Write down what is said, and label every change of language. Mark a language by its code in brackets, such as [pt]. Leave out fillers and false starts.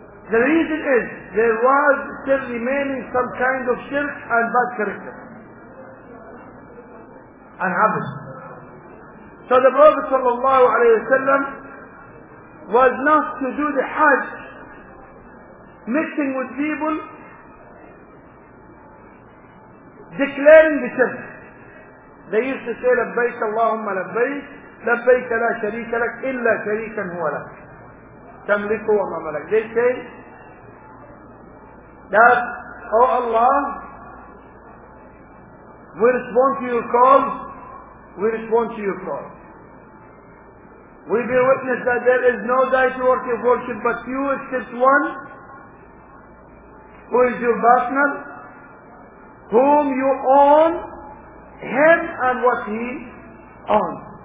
[en] The reason is there was still remaining some kind of shirk and bad character and habits. So the Prophet sallallahu alayhi wa sallam was not to do the Hajj mixing with people declaring the shirk. They used to say, [ar] لبيك اللهم لبيك، لبيك لا شريك لك إلا شريكا هو لك تملك وما ملك. [en] They say that, oh Allah, we respond to your call, we respond to your call. We bear witness that there is no deity worthy of worship but you, except one who is your partner, whom you own, him and what he owns.